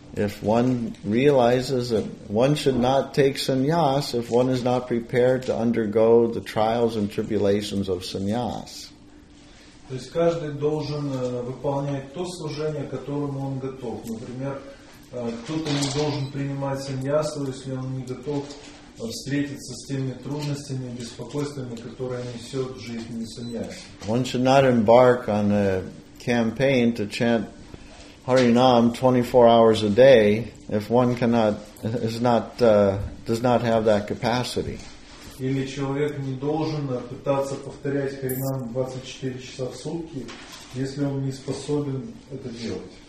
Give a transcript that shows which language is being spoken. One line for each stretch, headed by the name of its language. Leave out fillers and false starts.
English: If one realizes that one should not take sannyas if one is not prepared to undergo the trials and tribulations of sannyas.
Russian: То есть каждый должен выполнять то служение, к которому он готов. Например, кто-то не должен принимать сандьясу, если он не готов встретиться с теми трудностями и беспокойствами, которые несет жизнь на сандьясе.
English: One should not embark on a campaign to chant Harinam 24 hours a day if one cannot, does not have that capacity.
Russian: Или человек не должен пытаться повторять харинам 24 часа в сутки, если он не способен это делать.